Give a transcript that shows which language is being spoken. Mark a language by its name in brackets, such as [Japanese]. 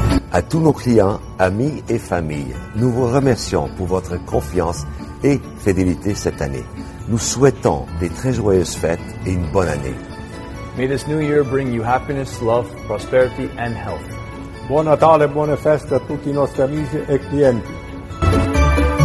[French] À tous nos clients, amis et familles, nous vous remercions pour votre confiance et fidélité cette année. Nous souhaitons des très joyeuses fêtes et une bonne année. [English] May this new year bring you happiness, love, prosperity and health. [Italian] Buon Natale e buone feste a tutti i nostri amici e clienti.